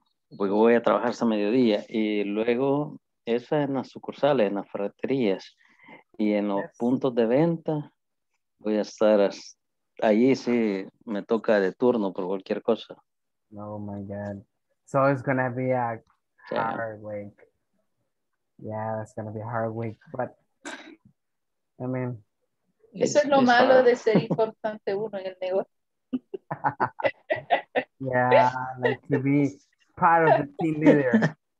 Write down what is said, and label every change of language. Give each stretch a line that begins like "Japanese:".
Spanish: Voy a trabajar hasta mediodía. Y luego, esa es en las sucursales, en las ferreterías. Y en los puntos de venta, voy a estar hasta... Ahí sí me toca de turno por cualquier cosa.
English: Oh my God. So it's going to be a hard week. Yeah, it's going to be a hard week. But, I mean.
Spanish: Eso es lo malo de ser importante uno en el negocio.
English: Yeah, like to be part of the team leader.